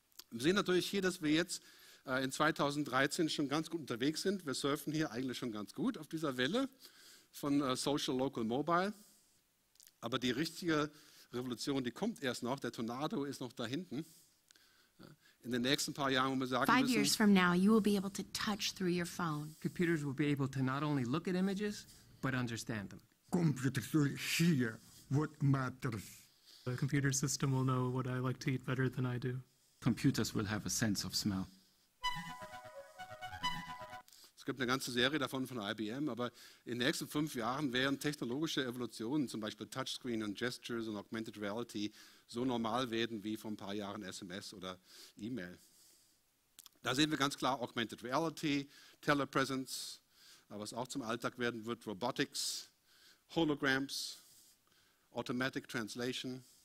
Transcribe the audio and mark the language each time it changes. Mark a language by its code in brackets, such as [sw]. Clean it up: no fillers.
[de] Wir sehen natürlich hier, dass wir jetzt in 2013 schon ganz gut unterwegs sind. Wir surfen hier eigentlich schon ganz gut auf dieser Welle von Social Local Mobile. Aber die richtige Revolution, die kommt erst noch. Der Tornado ist noch da hinten. In den nächsten paar Jahren, wo wir sagen müssen, [en] 5 years from now, you will be able to touch through your phone. Computers will be able to not only look at images, but understand them. Computers will hear what matters. The computer system will know what I like to eat better than I do. Computers will have a sense of smell. [de] Es gibt eine ganze Serie davon von IBM, aber in den nächsten 5 Jahren werden technologische Evolutionen, zum Beispiel Touchscreen und Gestures und Augmented Reality, so normal werden wie vor ein paar Jahren SMS oder E-Mail. Da sehen wir ganz klar Augmented Reality, Telepresence, was auch zum Alltag werden wird, Robotics, Holograms, Automatic Translation.